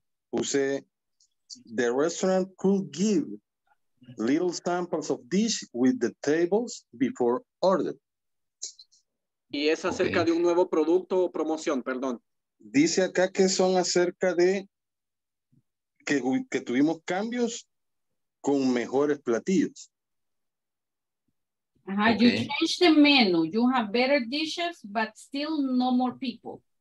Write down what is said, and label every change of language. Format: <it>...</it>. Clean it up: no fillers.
<en>Puse the restaurant could give little samples of dish with the tables before order.</en> <es>Y es acerca de un nuevo producto o promoción, perdón. Dice acá que son acerca de que tuvimos cambios con mejores platillos.</es> <en>Ajá, okay. You changed the menu. You have better dishes, but still no more people.</en>